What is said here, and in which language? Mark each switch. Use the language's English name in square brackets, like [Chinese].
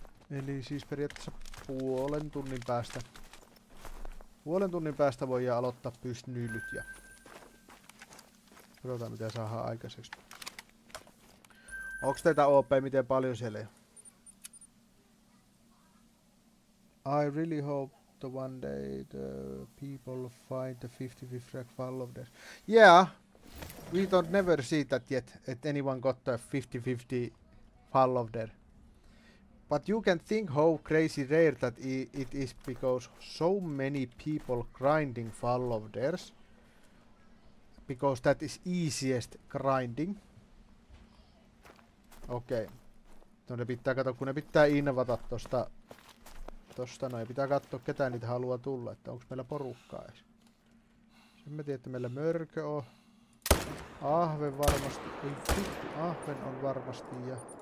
[Finnish] Eli siis periaatteessa 1,5 tunnin päästä. 1,5 tunnin päästä voi aloittaa pystynylyt ja katsotaan mitä saadaan aikaiseksi. Onks teitä OP, miten paljon siellä on? [English] I really hope the one day the people find the 55th rack fall of death. Yeah, we don't never see that yet, that anyone got the 50-50 fall of death. But you can think how crazy rare that it is because so many people grinding fall of death. Because that is easiest grinding. Okay. [Finnish] No ne pitää katsoa, kun ne pitää invata tosta. Tosta noin, pitää katsoa ketä niitä haluaa tulla, että onko meillä porukkaa edes. Sen mä tiedän, että meillä mörkö on. Ahven varmasti, ei vittu, ahven on varmasti ja.